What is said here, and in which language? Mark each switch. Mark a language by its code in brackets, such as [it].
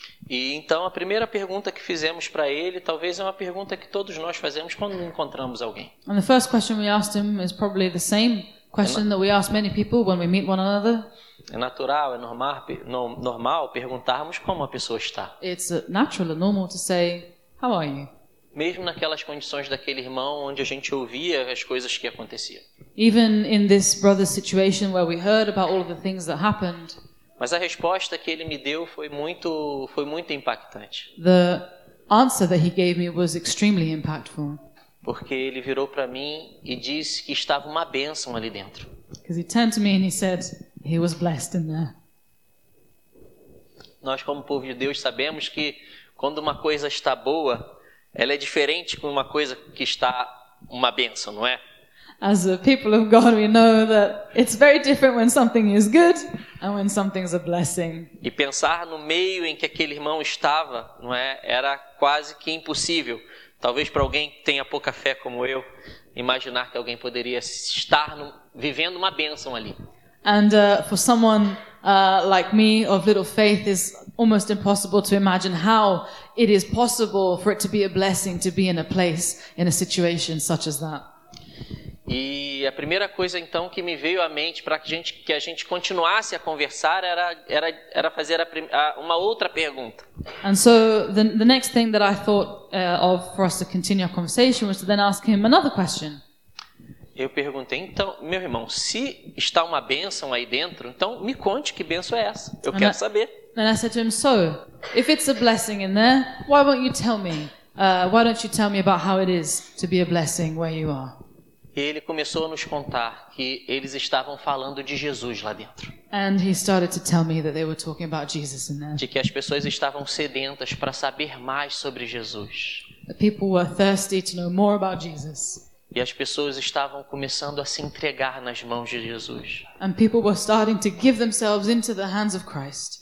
[pt] E então a primeira pergunta que fizemos para ele talvez é uma pergunta que todos nós fazemos quando encontramos alguém. [en] And the first question we asked him is probably the same question that we ask many people when we meet one another. [pt] É natural, é normal perguntarmos como a pessoa está. [en] It's natural and normal to say how are you? [pt] Mesmo naquelas condições daquele irmão onde a gente ouvia as coisas que aconteciam. [en] Even in this brother's situation where we heard about all of the things that happened. [pt] Mas a resposta que ele me deu foi muito impactante. [en] The answer that he gave me was extremely impactful. [pt] Porque ele virou para mim e disse que estava uma bênção ali dentro. [en] Because he turned to me and he said he was blessed in there. [pt] Nós como povo de Deus sabemos que quando uma coisa está boa, ela é diferente com uma coisa que está uma bênção, não é? [en] As a people of God, we know that it's very different when something is good and when something's a blessing. [pt] E pensar no meio em que aquele irmão estava, não é? Era quase que impossível. Talvez para alguém que tenha pouca fé como eu, imaginar que alguém poderia estar vivendo uma bênção ali. [en] And for someone like me, of little faith, is almost impossible to imagine how it is possible for it to be a blessing to be in a place, in a situation such as that. [pt] E a primeira coisa então que me veio à mente para que a gente continuasse a conversar era fazer uma outra pergunta. [en] And so the next thing that I thought of for us to continue our conversation was to then ask him another question. [pt] Eu perguntei, então, meu irmão, se está uma bênção aí dentro, então me conte que bênção é essa. Eu quero saber. [en] And I said to him, so, if it's a blessing in there, why won't you tell me? Why don't you tell me about how it is to be a blessing where you are? [pt] E ele começou a nos contar que eles estavam falando de Jesus lá dentro. [en] And he started to tell me that they were talking about Jesus in there. [pt] De que as pessoas estavam sedentas para saber mais sobre Jesus. [en] The people were thirsty to know more about Jesus. [pt] E as pessoas estavam começando a se entregar nas mãos de Jesus. [en] And people were starting to give themselves into the hands of Christ.